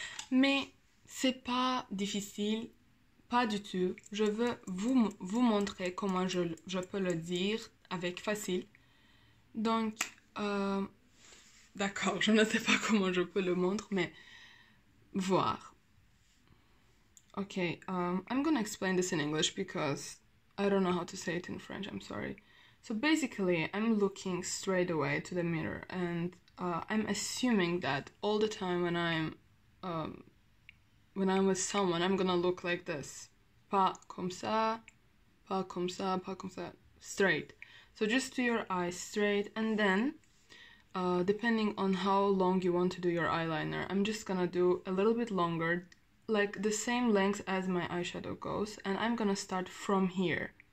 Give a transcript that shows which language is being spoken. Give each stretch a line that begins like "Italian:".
French: Mais c'est pas difficile. Pas du tout. Je veux vous montrer comment je peux le dire avec facile. Donc, d'accord, je ne sais pas comment je peux le montrer, mais voir.
English: Ok, I'm gonna explain this in English because I don't know how to say it in French. I'm sorry. So basically, I'm looking straight away to the mirror and I'm assuming that all the time when I'm with someone, I'm gonna look like this.
French: Pas comme ça, pas comme ça, pas comme ça, straight.
English: So just do your eyes straight, and then depending on how long you want to do your eyeliner, I'm just gonna do a little bit longer, like the same length as my eyeshadow goes, and I'm gonna start from here.